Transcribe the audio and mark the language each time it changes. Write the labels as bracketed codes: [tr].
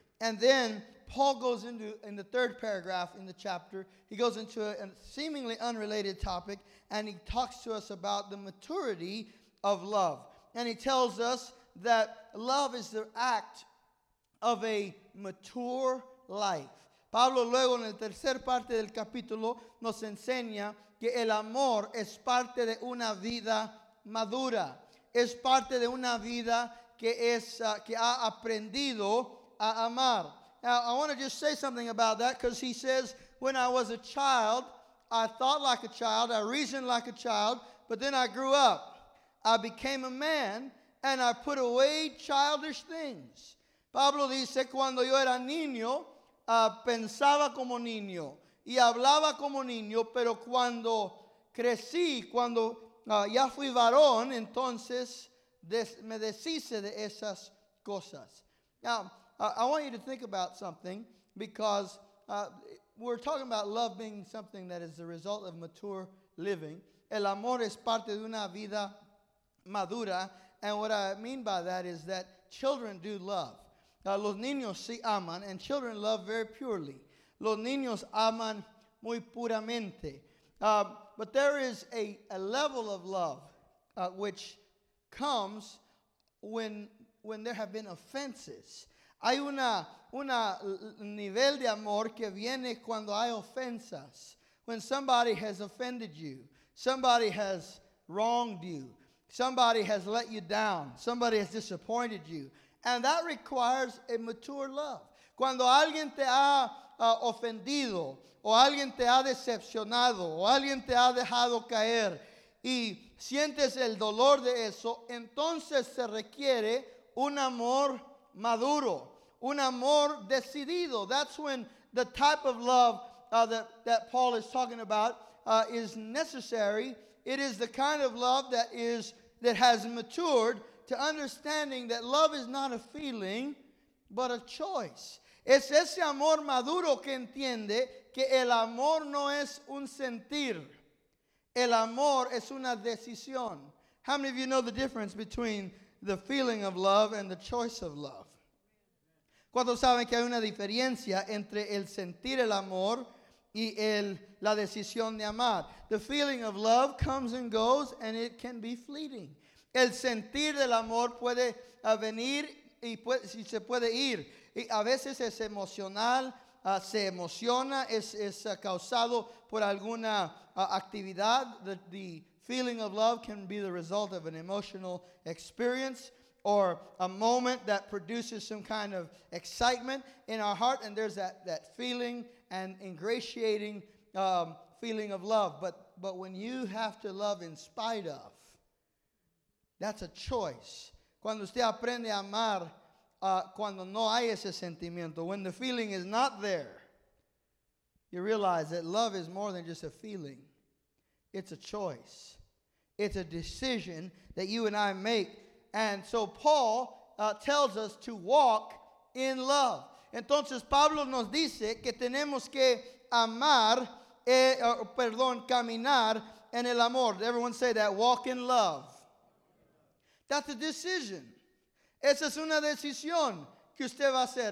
[en] And then Paul goes into, in the third paragraph in the chapter, he goes into a seemingly unrelated topic, and he talks to us about the maturity of love. And he tells us that love is the act of a mature life. [es] Pablo luego en el tercer parte del capítulo nos enseña que el amor es parte de una vida madura. Es parte de una vida que ha aprendido a amar. [en] Now, I want to just say something about that because he says, when I was a child, I thought like a child, I reasoned like a child, but then I grew up. I became a man and I put away childish things. [es] Pablo dice, cuando yo era niño, pensaba como niño y hablaba como niño, pero cuando crecí, cuando ya fui varón, entonces me deshice de esas cosas. [en] Now, I want you to think about something because we're talking about love being something that is the result of mature living. [es] El amor es parte de una vida madura. [en] And what I mean by that is that children do love. [es] Los niños sí aman, [en] and children love very purely. [es] Los niños aman muy puramente. [en] But there is a level of love which comes when there have been offenses. [es] Hay una nivel de amor que viene cuando hay ofensas. [en] When somebody has offended you, somebody has wronged you, somebody has let you down, somebody has disappointed you. And that requires a mature love. [es] Cuando alguien te ha ofendido, o alguien te ha decepcionado, o alguien te ha dejado caer, y sientes el dolor de eso, entonces se requiere un amor maduro, un amor decidido. [en] That's when the type of love that Paul is talking about is necessary. It is the kind of love that has matured to understanding that love is not a feeling, but a choice. [es] Es ese amor maduro que entiende que el amor no es un sentir. El amor es una decisión. [en] How many of you know the difference between the feeling of love and the choice of love? [es] ¿Cuántos saben que hay una diferencia entre el sentir el amor y la decisión de amar? [en] The feeling of love comes and goes and it can be fleeting. [es] El sentir del amor puede venir y se puede ir. Y a veces es emocional, se emociona, es causado por alguna actividad. [en] The feeling of love can be the result of an emotional experience or a moment that produces some kind of excitement in our heart, and there's that feeling and ingratiating feeling of love. But when you have to love in spite of, that's a choice. [es] Cuando usted aprende a amar cuando no hay ese sentimiento, [en] when the feeling is not there, you realize that love is more than just a feeling. It's a choice. It's a decision that you and I make. And so Paul tells us to walk in love. [es] Entonces Pablo nos dice que tenemos que caminar en el amor. [en] Everyone say that, walk in love. That's a decision. [es] Esa es una decisión que usted va a hacer.